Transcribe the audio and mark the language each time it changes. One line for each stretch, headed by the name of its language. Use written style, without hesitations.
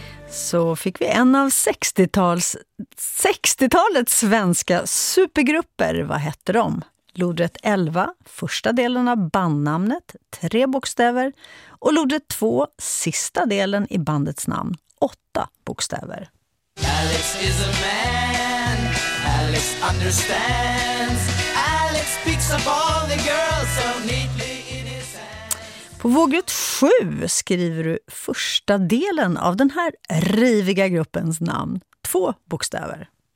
Swedish: Så fick vi en av 60-talets svenska supergrupper. Vad hette de? Lodrätt 11, första delen av bandnamnet, 3 bokstäver. Och lodrätt 2, sista delen i bandets namn, 8 bokstäver.
English: Alex is a man, Alex understands. Alex picks up all the girls so neatly.
Swedish: På vågret 7 skriver du första delen av den här riviga gruppens namn. 2 bokstäver.